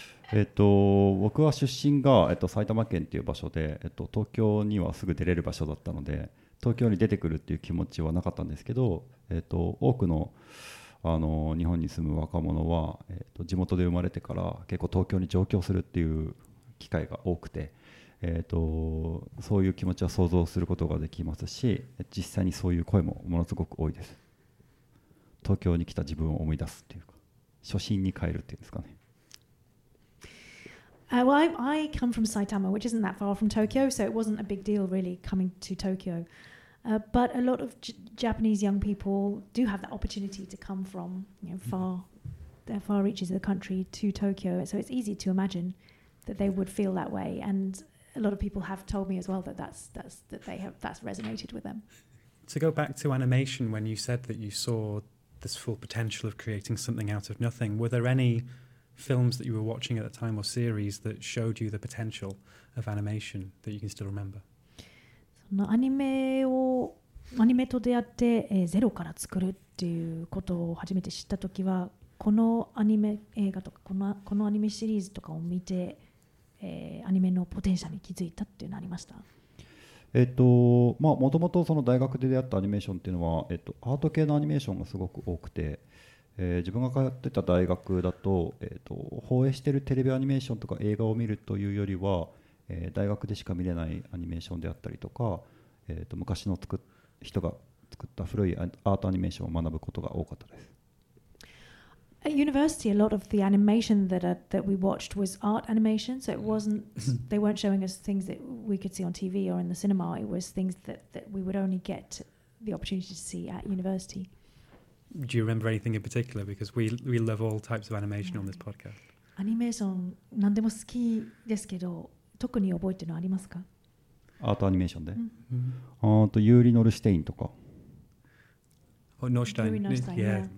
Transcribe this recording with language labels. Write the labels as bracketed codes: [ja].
[ja] 僕は出身が、埼玉県という場所で、東京にはすぐ出れる場所だったので東京に出てくるっていう気持ちはなかったんですけど、多くの、日本に住む若者は、地元で生まれてから結構東京に上京するっていう機会が多くて、そういう気持ちは想像することができますし、実際にそういう声もものすごく多いです。東京に来た自分を思い出すっていうか、初心に帰るっていうんですかね。 [en] Well, I come from Saitama, which isn't that far from Tokyo, so it wasn't a big deal really coming to Tokyo. But a lot of Japanese young people do have the opportunity to come from, you know, far reaches of the country to Tokyo. So it's easy to imagine that they would feel that way. And a lot of people have told me as well that's resonated with them. To go back to animation, when you said that you saw this full potential of creating something out of nothing, were there any films that you were watching at the time or series that showed you the potential of animation that you can still remember? [ja] アニメと出会って、ゼロから作るっていうことを初めて知った時は、このアニメ映画とかこのアニメシリーズとかを見て、アニメのポテンシャルに気づいたっていうのがありました。もともとその大学で出会ったアニメーションっていうのは、アート系のアニメーションがすごく多くて、自分が通ってた大学だと、放映しているテレビアニメーションとか映画を見るというよりは、大学でしか見れないアニメーションであったりとか、昔の人が作った古いアートアニメーションを学ぶことが多かったです。 [en] At university, a lot of the animation that we watched was art animation, so it wasn't, they weren't showing us things that we could see on TV or in the cinema. It was things that we would only get the opportunity to see at university. Do you remember anything in particular? Because we love all types of animation on this podcast. [ja] アニメーション何でも好きですけど、特に覚えてるのありますか？アートアニメーションで、ユーリ・ノルシュテインとか。ノルシュテイン、 [en] yeah.